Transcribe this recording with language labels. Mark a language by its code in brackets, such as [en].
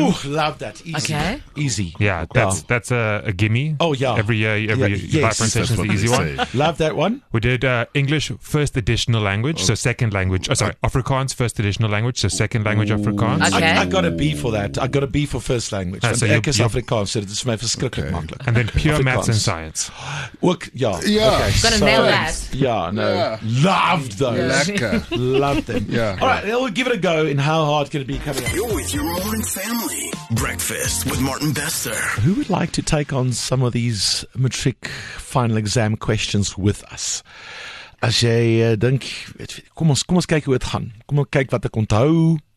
[en] Ooh, love that. Easy. Okay. Easy. Yeah, that's a gimme. Oh, yeah. Every year, life orientation is the easy one. Love that one. We did English first additional language, so second language. Oh, sorry, Afrikaans first additional language, so second language Afrikaans. Okay. I got a B for first language. So Ekkers Afrikaans, so it's my first skrikkelijk makkelijk. And then pure maths and science. Work, yeah. Yeah. Okay. Gonna nail that. Yeah, no. Loved those. Lekker. Loved them. Yeah. All right, we'll give it a go. And how hard can it be coming up? You're with your mother and family. Breakfast with Martin Bester. Who would like to take on some of these matric final exam questions with us? [af] As jy dink, kom ons kyk hoe dit gaan. Kom ons kyk wat ek onthou.